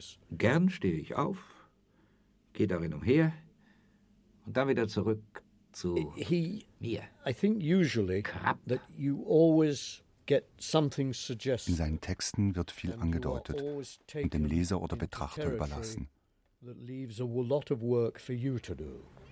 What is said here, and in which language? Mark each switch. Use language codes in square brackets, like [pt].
[de] Gern stehe ich auf, gehe darin umher und dann wieder zurück zu mir. [en] I think usually that you always get something suggested. [de] In seinen Texten wird viel angedeutet und dem Leser oder Betrachter überlassen. [en] That leaves a lot of work for you to do.